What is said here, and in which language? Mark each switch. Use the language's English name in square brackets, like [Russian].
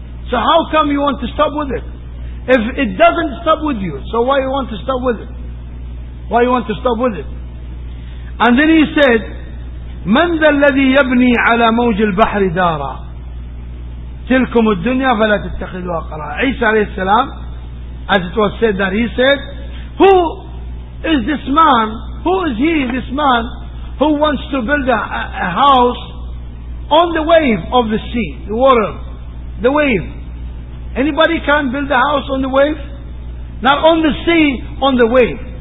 [English] So how come you want to stop with it? If it doesn't stop with you, so why you want to stop with it? Why you want to stop with it? And then he said, [Arabic] من ذا الذي يبني على موج البحر دارا تلكم الدنيا فلا تتخذوها قرارا. [English] عيسى عليه السلام, as it was said that he said, who is this man? Who is he, this man, who wants to build a house on the wave of the sea, the water, the wave? Anybody can build a house on the wave? Not on the sea, on the wave.